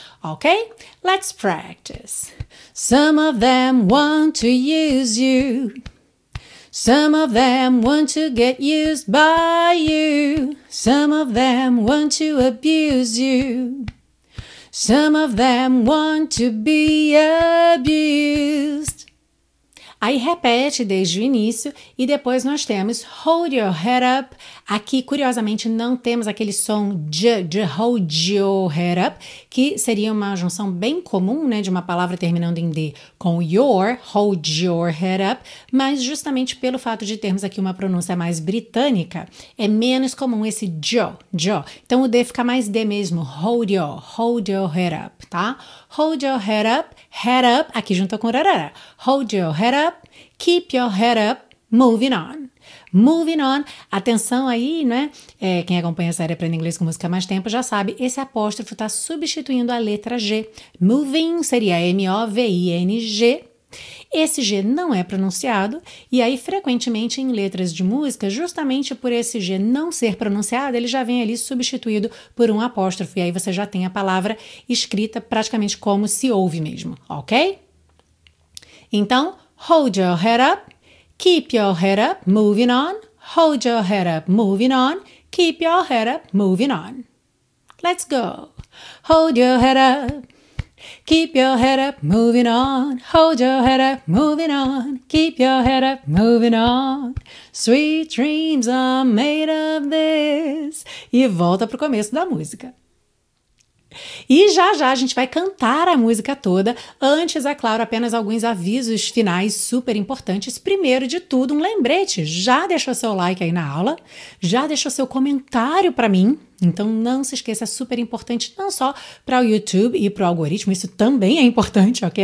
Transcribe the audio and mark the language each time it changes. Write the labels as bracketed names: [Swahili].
[English] Ok? Let's practice. Some of them want to use you. Some of them want to get used by you. Some of them want to abuse you. Some of them want to be abused. [Portuguese] Aí repete desde o início e depois nós temos [English] hold your head up. [Portuguese] Aqui, curiosamente, não temos aquele som de [English] hold your head up, [Portuguese] que seria uma junção bem comum, né, de uma palavra terminando em D com your, hold your head up, mas justamente pelo fato de termos aqui uma pronúncia mais britânica, é menos comum esse jo. Então o D fica mais D mesmo, [English] hold your head up, [Portuguese] tá? [English] Hold your head up, [Portuguese] aqui junto com rarara. [English] Hold your head up, keep your head up, moving on. Moving on, [Portuguese] atenção aí, né? É, quem acompanha a série Aprenda Inglês com Música há mais tempo já sabe, esse apóstrofo está substituindo a letra G. Moving seria M-O-V-I-N-G. Esse G não é pronunciado, e aí frequentemente em letras de música, justamente por esse G não ser pronunciado, ele já vem ali substituído por um apóstrofo, e aí você já tem a palavra escrita praticamente como se ouve mesmo, ok? [English] Então, hold your head up, keep your head up, moving on, hold your head up, moving on, keep your head up, moving on. Let's go! Hold your head up. Keep your head up, moving on. Hold your head up, moving on. Keep your head up, moving on. Sweet dreams are made of this. [Portuguese] E volta pro começo da música. E já a gente vai cantar a música toda. Antes, é claro, apenas alguns avisos finais super importantes. Primeiro de tudo, um lembrete. Já deixou seu like aí na aula? Já deixou seu comentário para mim? Então não se esqueça, é super importante não só para o YouTube e para o algoritmo, isso também é importante, ok?